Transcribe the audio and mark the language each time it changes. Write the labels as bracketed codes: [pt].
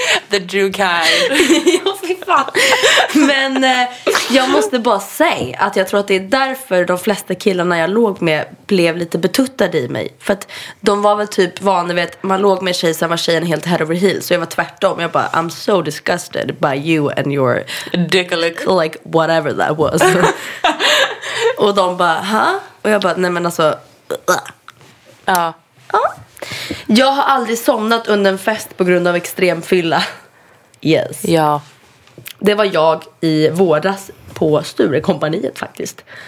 [en] The Jew kind. [sv] Ja, fy fan. Men jag måste bara säga att jag tror att det är därför de flesta killarna jag låg med blev lite betuttade i mig. För att de var väl typ vana vid att man låg med tjejer som var tjejen helt [en] head over heels. [sv] Så jag var tvärtom. Jag bara, [en] I'm so disgusted by you and your dick-a-lick. Like whatever that was. [sv] Och de bara, huh? Och jag bara, nej men alltså. Ja. Ja. Jag har aldrig somnat under en fest på grund av extrem fylla. [en] Yes. [sv] Ja. Det var jag i våras på Sturekompaniet faktiskt.